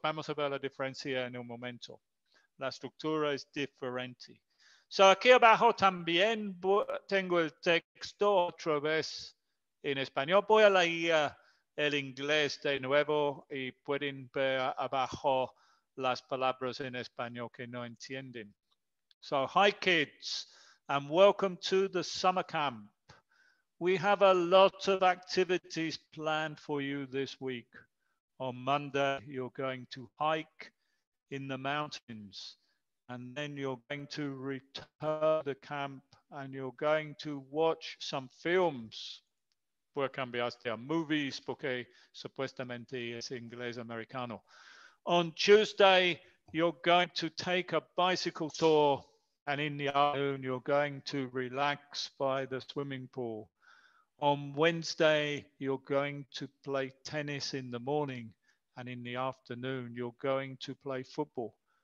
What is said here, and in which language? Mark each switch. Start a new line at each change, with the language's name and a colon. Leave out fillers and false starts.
Spanish: Vamos a ver la diferencia en un momento. La estructura es diferente. So aquí abajo también tengo el texto otra vez en español. Voy a leer el inglés de nuevo y pueden ver abajo las palabras en español que no entienden.
English: So, hi kids, and welcome to the summer camp. We have a lot of activities planned for you this week. On Monday, you're going to hike in the mountains, and then you're going to return to the camp, and you're going to watch some films.
Spanish: Voy a cambiarte a movies, porque supuestamente es inglés americano.
English: On Tuesday, you're going to take a bicycle tour, and in the afternoon, you're going to relax by the swimming pool. On Wednesday, you're going to play tennis in the morning, and in the afternoon, you're going to play football.